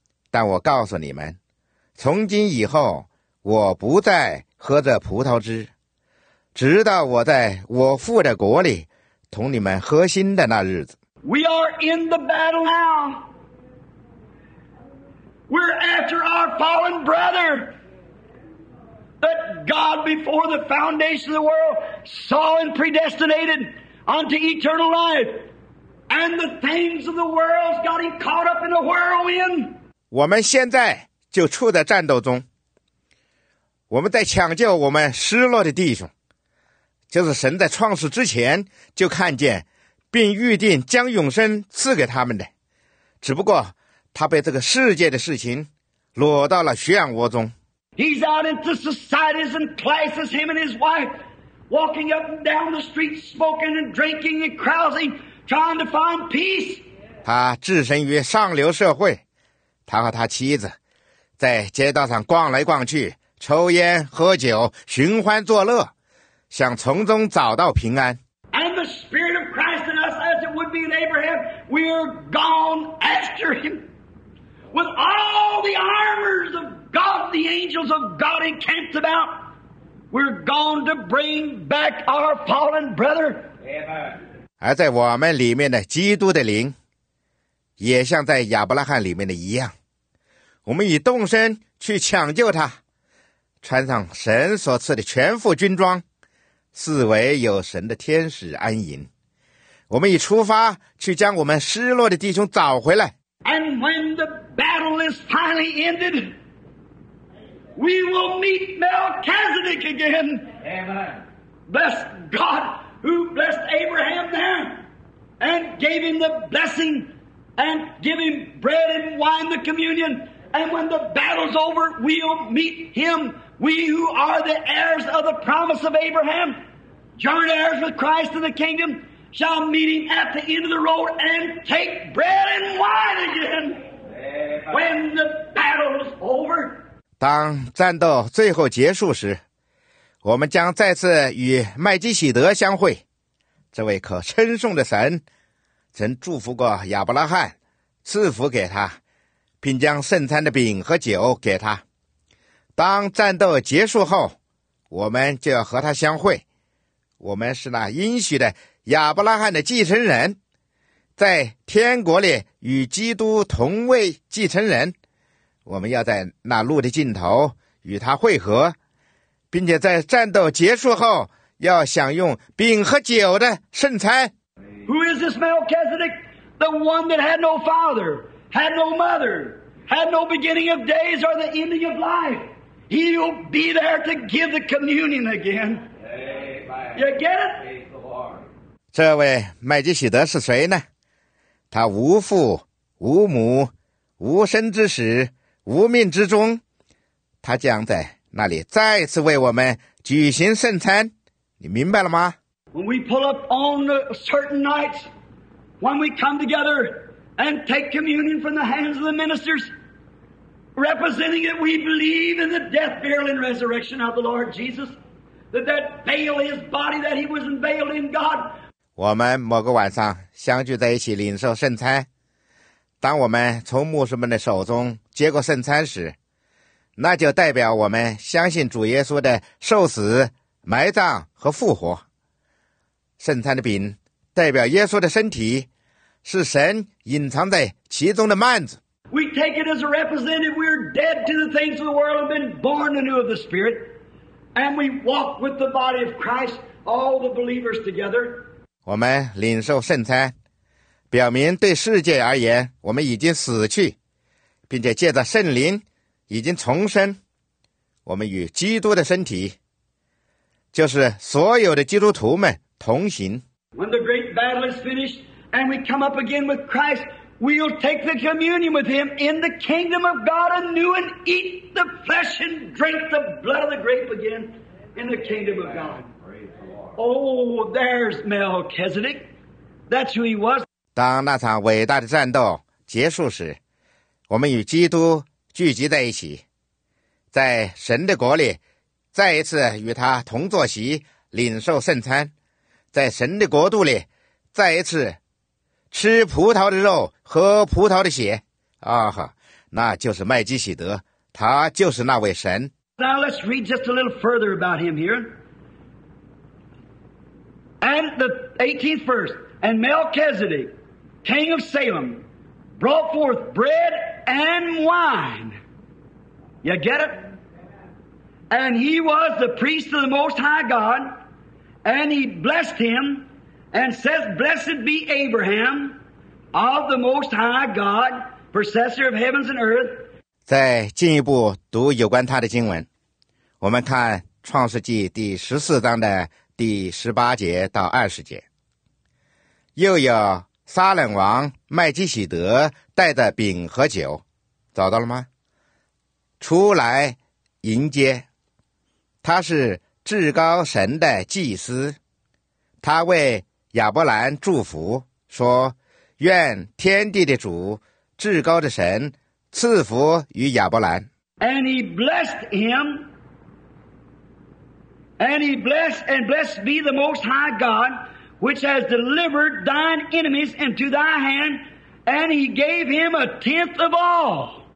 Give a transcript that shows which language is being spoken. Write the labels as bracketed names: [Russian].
[Chinese] 但我告诉你们，从今以后我不再喝这葡萄汁，直到我在我父的国里同你们喝新的那日子。 [English] We are in the battle now. We're after our fallen brother. God before the foundation of the world saw and predestinated unto eternal life. And the things of the world got him caught up in a whirlwind. [Chinese] 我们现在就处在战斗中，我们在抢救我们失落的弟兄，就是神在创世之前就看见并预定将永生赐给他们的，只不过他被这个世界的事情裸到了漩涡中。 [English] He's out into societies and classes, him and his wife, walking up and down the street, smoking and drinking and carousing, trying to find peace. [Chinese] 他置身于上流社会，他和他妻子在街道上逛来逛去，抽烟喝酒，寻欢作乐，想从中找到平安。 [English] And the Spirit of Christ in us, as it would be in Abraham, we are gone after him. With all the armors of God, the angels of God encamped about, we're gone to bring back our fallen brother. Amen. [Chinese] 而在我们里面的基督的灵，也像在亚伯拉罕里面的一样，我们已动身去抢救他，穿上神所赐的全副军装，四围有神的天使安营，我们已出发去将我们失落的弟兄找回来。 [English] And when the battle is finally ended, we will meet Melchizedek again. Bless God who blessed Abraham there and gave him the blessing and give him bread and wine, the communion. And when the battle's over, we'll meet him. We who are the heirs of the promise of Abraham, joint heirs with Christ in the kingdom, shall meet him at the end of the road and take bread and wine again. When the battle's over, [Chinese] 当战斗最后结束时，我们将再次与麦基洗德相会，这位可称颂的神曾祝福过亚伯拉罕，赐福给他，并将圣餐的饼和酒给他。当战斗结束后，我们就要和他相会。我们是那应许的亚伯拉罕的继承人，在天国里与基督同位继承人。我们要在那路的尽头与他会合，并且在战斗结束后要享用饼和酒的圣餐。 [English] Who is this Melchizedek? The one that had no father, had no mother, had no beginning of days or the ending of life. He'll be there to give the communion again. Amen. You get it? [Chinese] 这位麦基洗德是谁呢？他无父无母，无生之始，无命之终，他将在那里再次为我们举行圣餐，你明白了吗？ [English] When we pull up on certain nights, when we come together and take communion from the hands of the ministers, representing that we believe in the death, burial, and resurrection of the Lord Jesus, that veil his body that he was unveiled in God. [Chinese] 我们某个晚上相聚在一起领受圣餐，当我们从牧师们的手中接过圣餐时，那就代表我们相信主耶稣的受死、埋葬和复活。圣餐的饼代表耶稣的身体，是神隐藏在其中的幔子。 [English] We take it as a representative. We're dead to the things of the world and been born anew of the Spirit, and we walk with the body of Christ, all the believers together. [Chinese] 我们领受圣餐，表明对世界而言，我们已经死去，并且借着圣灵已经重生。我们与基督的身体，就是所有的基督徒们。 [English] When the great battle is finished and we come up again with Christ, we'll take the communion with him in the kingdom of God anew and eat the flesh and drink the blood of the grape again in the kingdom of God. Oh, there's Melchizedek. That's who he was. [Chinese] 当那场伟大的战斗结束时，我们与基督聚集在一起，在神的国里再一次与他同坐席领受圣餐，在神的国度里再一次吃葡萄的肉，喝葡萄的血。啊哈，那就是麦基洗德，他就是那位神。 [English] Now let's read just a little further about him here. And the 18th verse, and Melchizedek, king of Salem, brought forth bread and wine. You get it? And he was the priest of the Most High God, and he blessed him and says, blessed be Abraham of the Most High God, possessor of heavens and earth. [Chinese] 再进一步读有关他的经文，我们看创世纪第十四章的第十八节到二十节。又有撒冷王麦基洗德带着饼和酒，找到了吗？出来迎接，他是至高神的祭司，他为亚伯兰祝福说，愿天地的主至高的神赐福于亚伯兰。 [English] And he blessed him, and he blessed, and blessed be the Most High God, which has delivered thine enemies into thy hand, and he gave him a tenth of all.